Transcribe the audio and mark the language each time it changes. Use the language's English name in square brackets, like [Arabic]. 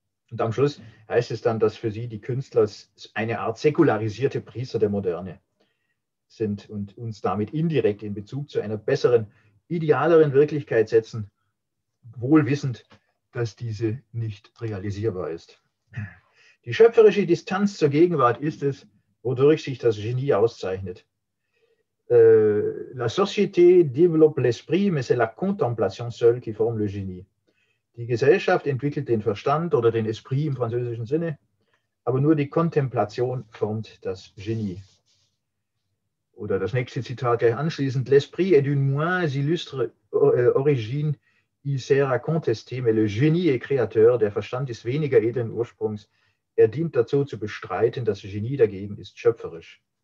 [German] Und am Schluss heißt es dann, dass für sie die Künstler eine Art säkularisierte Priester der Moderne sind und uns damit indirekt in Bezug zu einer besseren, idealeren Wirklichkeit setzen, wohl wissend, dass diese nicht realisierbar ist. Die schöpferische Distanz zur Gegenwart ist es, wodurch sich das Genie auszeichnet. [French] La société développe l'esprit, mais c'est la contemplation seule qui forme le génie. [German] Die Gesellschaft entwickelt den Verstand oder den Esprit im französischen Sinne, aber nur die Kontemplation formt das Genie. Oder das nächste Zitat gleich anschließend: [French] L'esprit est d'une moins illustre origine, il sera contesté, mais le génie est créateur, [German] der Verstand ist weniger edlen Ursprungs, er dient dazu zu bestreiten, das Genie dagegen ist schöpferisch.